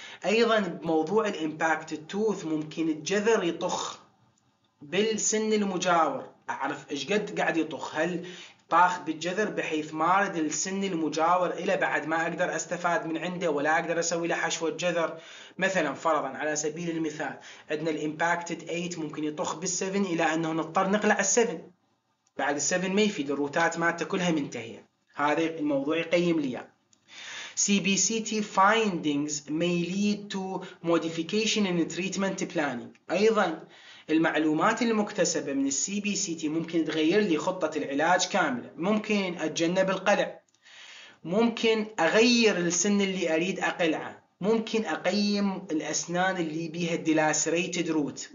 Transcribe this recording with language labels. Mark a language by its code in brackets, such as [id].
[ar] ايضا بموضوع الامباكت التوث ممكن الجذر يطخ بالسن المجاور، اعرف ايش قد قاعد يطخ، هل طاخ بالجذر بحيث مارد السن المجاور الى بعد ما اقدر استفاد من عنده ولا اقدر اسوي له حشوة جذر. مثلا فرضا على سبيل المثال عندنا الامباكتد 8 ممكن يطخ بالسفن الى انه نضطر نقلع السفن، بعد السفن ما يفيد، الروتات مالته كلها منتهية. هذا الموضوع يقيم لي [en] CBCT findings may lead to modification in treatment planning. [ar] ايضا المعلومات المكتسبة من الـ CBCT ممكن تغير لي خطة العلاج كاملة، ممكن أتجنب القلع، ممكن أغير السن اللي أريد أقلعه، ممكن أقيم الأسنان اللي بيها dilacerated root.